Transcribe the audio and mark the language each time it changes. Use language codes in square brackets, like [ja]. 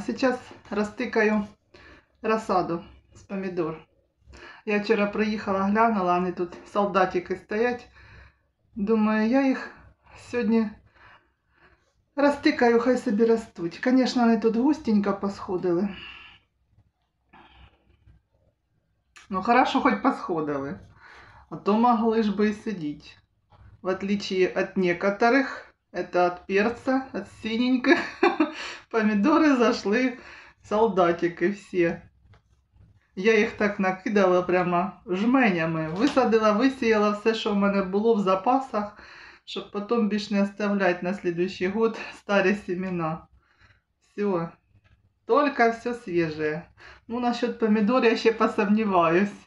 [uk] Зараз розтикаю розсаду з помідор. Я вчора приїхала, глянула, вони тут солдатики стоять. Думаю, я їх сьогодні розтикаю, хай собі ростуть. Звісно, вони тут густенько посходили. Ну, хорошо, хоч посходили. А то могли ж би і сидіти. [ru] В отличие от некоторых, это от перца, от синеньких, помидоры зашли, солдатики все. [uk] Я їх так накидала прямо жменями. Висадила, висіяла все, що в мене було в запасах, щоб потім більш не оставляти на слідуючий год старі сімена. Все. Тільки все свіже. Ну, насчет помідор я ще посумніваюсь.